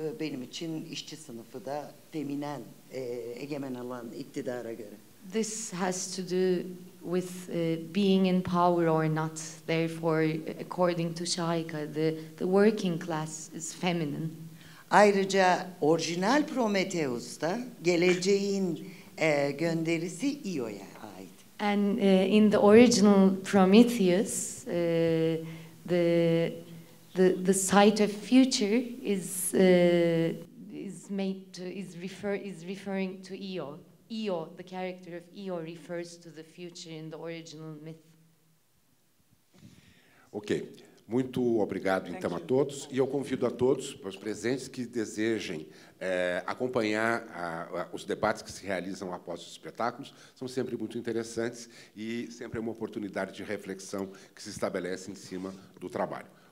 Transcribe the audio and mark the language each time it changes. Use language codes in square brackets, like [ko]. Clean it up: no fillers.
[tr] Benim için işçi sınıfı da feminen, egemen olan iktidara göre. [en] This has to do with being in power or not. Therefore, according to Shaika, the working class is feminine. [tr] Ayrıca orijinal Prometheus'ta geleceğin gönderisi Io'ya ait. [en] And in the original Prometheus, the sight of future is is referring to Io. Io, the character of Io, refers to the future in the original myth. [pt] Okay. Muito obrigado, então, a todos. E eu convido a todos, para os presentes que desejem acompanhar os debates que se realizam após os espetáculos, são sempre muito interessantes e sempre é uma oportunidade de reflexão que se estabelece em cima do trabalho.